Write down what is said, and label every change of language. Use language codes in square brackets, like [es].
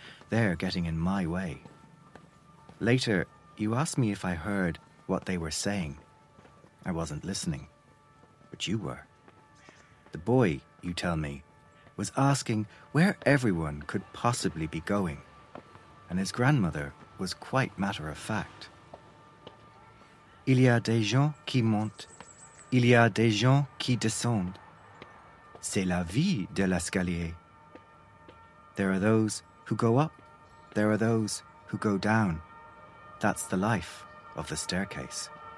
[en] They're getting in my way. Later, you asked me if I heard what they were saying. I wasn't listening, but you were. The boy, you tell me, was asking where everyone could possibly be going, and his grandmother was quite matter of fact. [fr] Il y a des gens qui montent, il y a des gens qui descendent. C'est la vie de l'escalier. [en] There are those who go up, there are those who go down. That's the life of the staircase.